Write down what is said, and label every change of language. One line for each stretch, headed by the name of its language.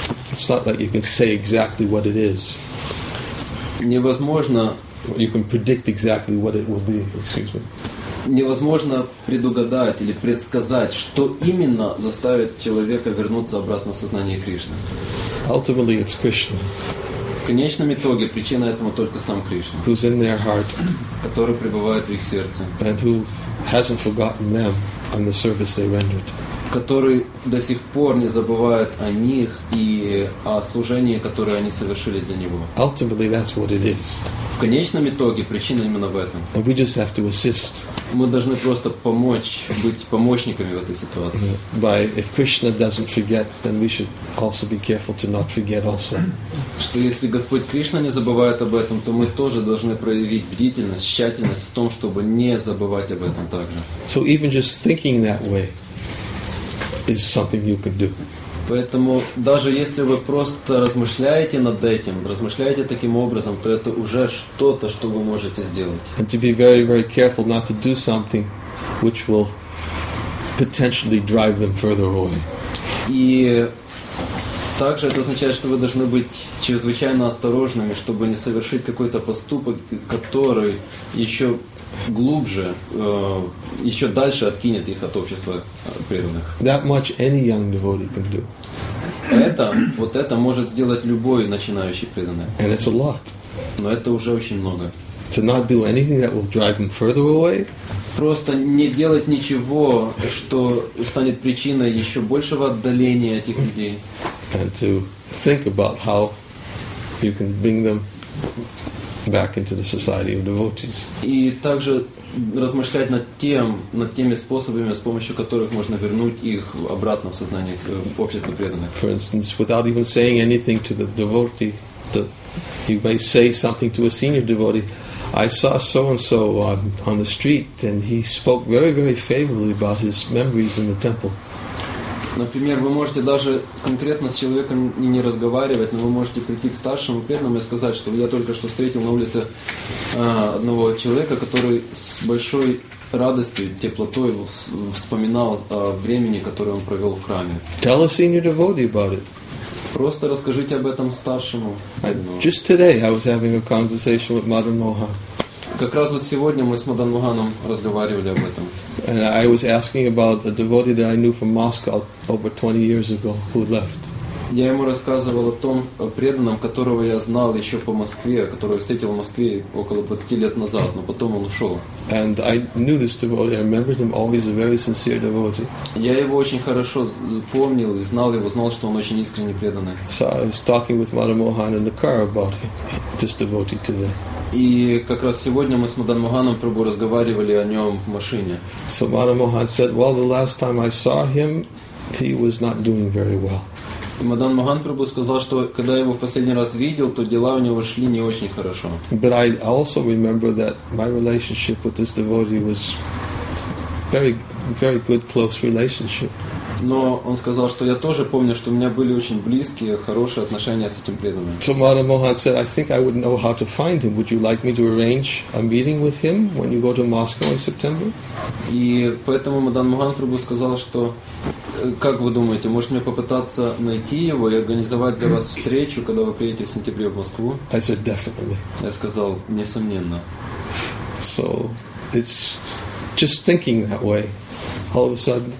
English: It's not like you can say exactly what it is.
Russian: Невозможно.
English: You can predict exactly what it will be. Excuse me.
Russian: Невозможно предугадать или предсказать, что именно заставит человека вернуться обратно в сознание Кришны.
English: Ultimately, it's Krishna.
Russian: В конечном итоге причина этому только сам Кришна,
English: who's in their heart,
Russian: который пребывает в их сердце,
English: and who hasn't forgotten them and the service they rendered.
Russian: Который до сих пор не забывает о них и о служении, которое они совершили для него.
English: Ultimately, that's what it is.
Russian: В конечном итоге причина именно в этом.
English: And we just have to assist.
Russian: Мы должны просто помочь, быть помощниками в этой ситуации.
English: By if Krishna doesn't forget, then we should also be careful to not forget also.
Russian: Что если Господь Кришна не забывает об этом, то мы тоже должны проявить бдительность, тщательность в том, чтобы не забывать об этом также.
English: So even just thinking that way is something you can do.
Russian: Поэтому даже если вы просто размышляете над этим, размышляете таким образом, то это уже что-то, что вы можете сделать.
English: And to be very, very careful not to do something which will potentially drive them further away.
Russian: И Также это означает, что вы должны быть чрезвычайно осторожными, чтобы не совершить какой-то поступок, который еще глубже, еще дальше откинет их от общества преданных.
English: That much any young devotee can do.
Russian: Это, вот это может сделать любой начинающий преданный.
English: And it's a lot.
Russian: Но это уже очень много.
English: To not do anything that will drive him further away.
Russian: Просто не делать ничего, что станет причиной еще большего отдаления этих людей.
English: And to think about how you can bring them back into the society of devotees.
Russian: И также размышлять над теми способами, с помощью которых можно вернуть их обратно в сознание, в общество преданных.
English: For instance, without even saying anything to the devotee, you may say something to a senior devotee. I saw so-and-so on the street, and he spoke very, very favorably about his memories in the temple.
Russian: Например, вы можете даже конкретно с человеком не разговаривать, но вы можете прийти к старшему преданному и сказать, что я только что встретил на улице одного человека, который с большой радостью, теплотой вспоминал о времени, которое он провел в храме.
English: Tell a senior devotee about it.
Russian: Просто расскажите об этом старшему.
English: Just today I was having a conversation with Madan Mohan.
Russian: Как раз вот сегодня мы с Мадан Моханом разговаривали об этом.
English: And I was asking about a devotee that I knew from Moscow over 20 years ago who left.
Russian: Я ему рассказывал о том преданном, которого я знал еще по Москве, которого встретил в Москве около 20 лет назад, но потом он ушел.
English: And I knew this devotee. I remembered him always a very sincere devotee.
Russian: Я его очень хорошо помнил и знал его, знал, что он очень искренне преданный.
English: So I was talking with Madan Mohan in the car about this devotee today.
Russian: И как раз сегодня мы с Мадан Моханом Прабу разговаривали о нем в машине.
English: So Madan Mohan said, well, the last time I saw him, he was not doing very well.
Russian: Мадан Моган Прабу сказал, что когда я его в последний раз видел, то дела у него шли не очень хорошо.
English: But I also remember that my relationship with this devotee was very, very good, close relationship.
Russian: Но он сказал, что я тоже помню, что у меня были очень близкие, хорошие отношения с этим преданным.
English: So Madan Mohan said, I think I would know how to find him. Would you like me to arrange a meeting with him when you go to Moscow in September?
Russian: И поэтому Мадан Моган Прабу сказал, что как вы думаете, может мне попытаться найти его и организовать для вас встречу, когда вы приедете в сентябре в Москву?
English: I said, definitely.
Russian: Я сказал, несомненно.
English: So it's just thinking that way, all of a sudden.